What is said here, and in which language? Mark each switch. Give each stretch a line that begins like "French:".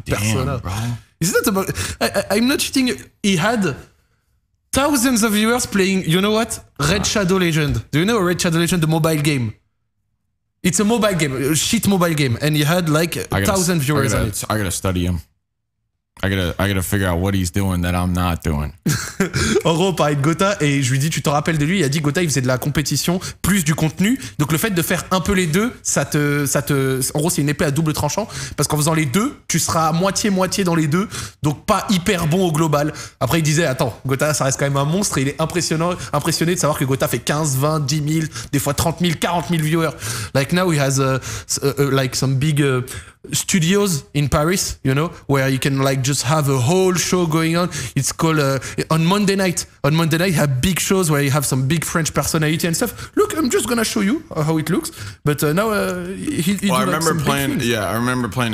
English: the persona. It's not about. I'm not cheating. He had thousands of viewers playing. You know what? Red Shadow Legend. Do you know Red Shadow Legend, the mobile game? It's a mobile game, a shit mobile game, and he had like 1,000 viewers on it. I gotta study him. I gotta figure out what he's doing that I'm not doing.
French: Oro parlait de Gota et je lui dis, tu te rappelles de lui? Il a dit Gota, il faisait de la compétition plus du contenu. Donc le fait de faire un peu les deux, ça te, en gros, c'est une épée à double tranchant parce qu'en faisant les deux, tu seras moitié dans les deux, donc pas hyper bon au global. Après, il disait, attends, Gota, ça reste quand même un monstre et il est impressionné de savoir que Gota fait 15, 20, 10 000, des fois 30 000, 40 000 viewers.
English: Like now, he has like some big studios in Paris, you know, where you can like just have a whole show going on. It's called on Monday night have big shows where you have some big French personality and stuff. Look, I'm just gonna show you how it looks, but now I remember playing